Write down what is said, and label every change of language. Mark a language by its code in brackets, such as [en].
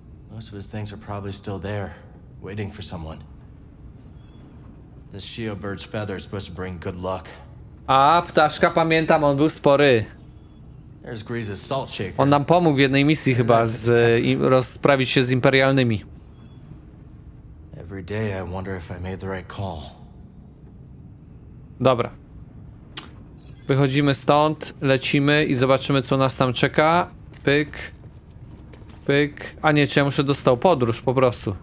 [en] Most of his things are probably still there, waiting for someone. This Shio bird's feather is supposed to bring good luck. [pl] A, ptaszka pamiętam, on był spory. [en] There's Grease's salt shaker. [pl] On nam pomógł w jednej misji chyba z rozprawić się z imperialnymi. [en] Every day I wonder if I made the right call. [pl] Dobra. Wychodzimy stąd, lecimy i zobaczymy, co nas tam czeka. Pyk. Pyk. A nie, czy ja muszę dostał podróż po prostu.